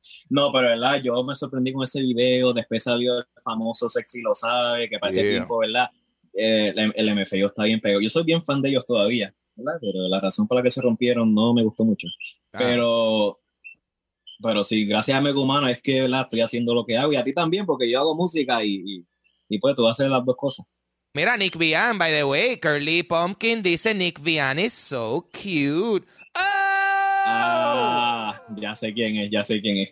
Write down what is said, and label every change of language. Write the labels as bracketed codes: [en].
[es] No, pero verdad, yo me sorprendí con ese video. Después salió el famoso Sexy Lo Sabe, que para ese tiempo, ¿verdad? El MFEO está bien pegado. Yo soy bien fan de ellos todavía, ¿verdad? Pero la razón por la que se rompieron no me gustó mucho. Ah. Pero Pero sí, gracias a Mega Humano es que, ¿verdad?, estoy haciendo lo que hago, y a ti también, porque yo hago música y pues tú haces las dos cosas. Mira, [en] Nick Vian, by the way, Curly Pumpkin [es] dice [en] Nick Vian is so cute. ¡Oh! [es] Ah, ya sé quién es, ya sé quién es.